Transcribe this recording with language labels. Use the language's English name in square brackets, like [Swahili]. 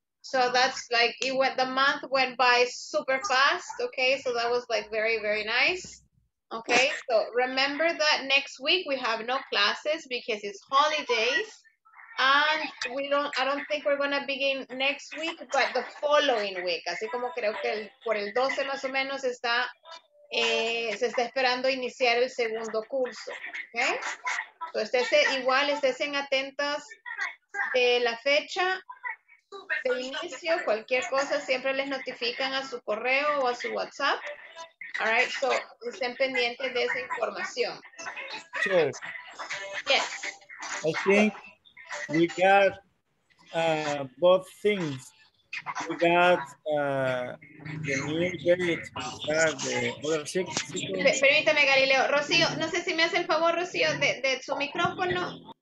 [English] So that's like it went, the month went by super fast. Okay. So that was like very, very nice. Okay, so remember that next week we have no classes because it's holidays, and I don't think we're gonna begin next week, but the following week. [Spanish] Así como creo que por el 12 más o menos se está esperando iniciar el segundo curso. Okay, so estén atentas de la fecha de inicio. Cualquier cosa siempre les notifican a su correo o a su WhatsApp. [English] All right, [Spanish] so estén pendientes de esa información. [English] Sure. Yes. I think we got both things. We got the new date, the other six. [Spanish] Permítame, Galileo. Rocío, no sé si me hace el favor, Rocío, de su micrófono.